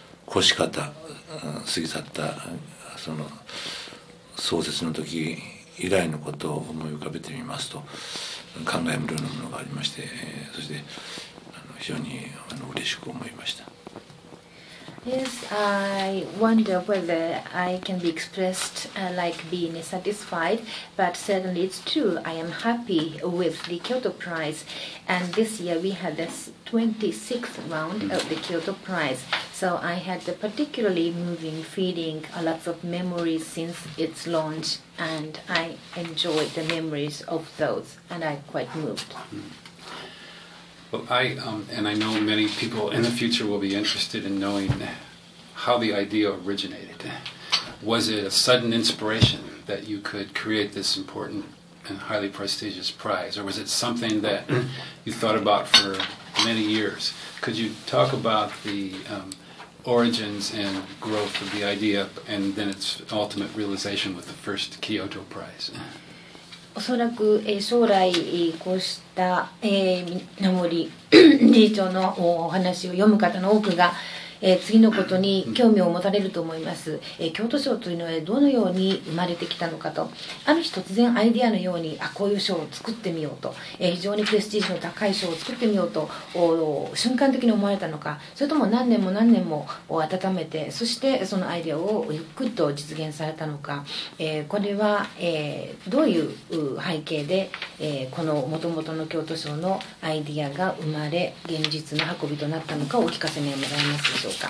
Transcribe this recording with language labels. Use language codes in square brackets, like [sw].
[ja] 越し方過ぎ去ったその創設の時以来のことを思い浮かべてみますと、感慨深いものがありまして、そして非常に嬉しく思いました。 [en] Yes, I wonder whether I can be expressed like being satisfied, but certainly it's true. I am happy with the Kyoto Prize, and this year we had the 26th round of the Kyoto Prize. So I had a particularly moving feeling, a lot of memories since its launch, and I enjoyed the memories of those, and I'm quite moved. Well, I know many people in the future will be interested in knowing how the idea originated. Was it a sudden inspiration that you could create this important and highly prestigious prize, or was it something that you thought about for many years? Could you talk about the origins and growth of the idea and then its ultimate realization with the first Kyoto Prize? [ja] おそらく将来こうした稲森理事長のお話を読む方の多くが次のことに興味を持たれると思います。京都賞というのはどのように生まれてきたのかと、ある日突然アイデアのように、あ、こういう賞を作ってみようと、非常にプレスティージの高い賞を作ってみようと瞬間的に思われたのか、それとも何年も何年も温めて、そしてそのアイデアをゆっくりと実現されたのか、これは、どういう背景で、この元々の京都賞のアイデアが生まれ現実の運びとなったのかをお聞かせ願います。